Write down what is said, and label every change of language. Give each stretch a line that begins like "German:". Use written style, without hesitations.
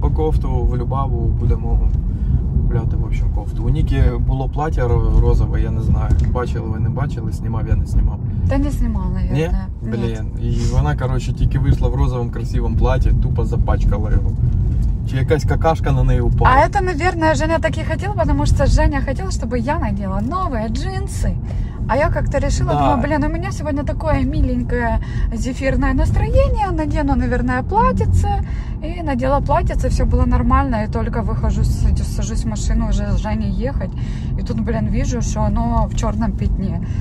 Ukrainian: По кофту в Любаву будемо гуляти,
Russian: в общем,
Ukrainian: кофту. У Ніки було плаття розове, я не знаю. Бачили ви, не бачили, знімав, я не знімав. Та не знімав,
Russian: наверное.
Ukrainian: Ні? Блін. І вона, короче, тільки вийшла в розовому красивому платі, тупо запачкала його. Чи якась какашка на неї упала. А це,
Russian: наверное,
Ukrainian: Женя так і хотіла, тому що Женя хотіла, щоб я наділа нові джинси.
Russian: А я как-то решила, да. Думаю, блин, у меня сегодня такое миленькое зефирное настроение, надену, наверное, платьице, и надела платьице, все было нормально, и только выхожу, сажусь в машину уже с Женей ехать, и тут, блин, вижу, что оно в черном пятне.